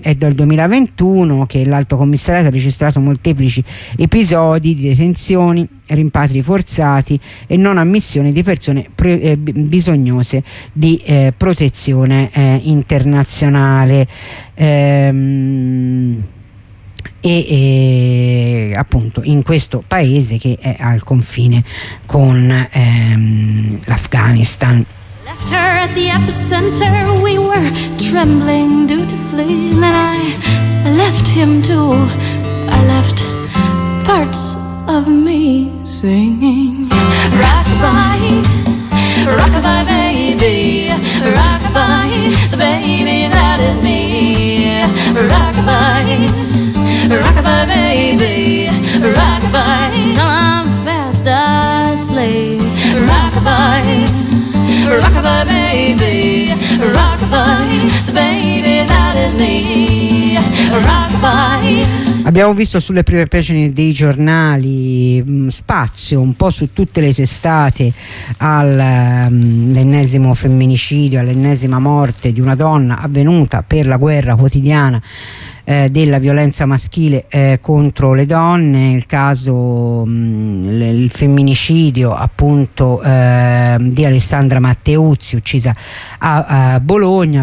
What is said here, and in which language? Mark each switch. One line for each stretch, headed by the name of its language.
Italian: È dal 2021 che l'Alto Commissariato ha registrato molteplici episodi di detenzioni, rimpatri forzati e non ammissione di persone bisognose di protezione internazionale. E appunto in questo paese che è al confine con l'Afghanistan.
English: Left her at the epicenter, we were trembling dutifully, and then I left him too. I left parts of me singing rock-a-bye, rock-a-bye baby, rock-a-bye, the baby that is me, rock-a-bye, rock-a-bye baby, rock-a-bye, till I'm fast asleep, rock-a-bye, rock-a-bye baby. maybe. Rockabye, the baby that is me. Rockabye.
Italian: Abbiamo visto sulle prime pagine dei giornali spazio un po' su tutte le testate all'ennesimo femminicidio, all'ennesima morte di una donna avvenuta per la guerra quotidiana della violenza maschile contro le donne, il caso il femminicidio appunto di Alessandra Matteuzzi uccisa a Bologna.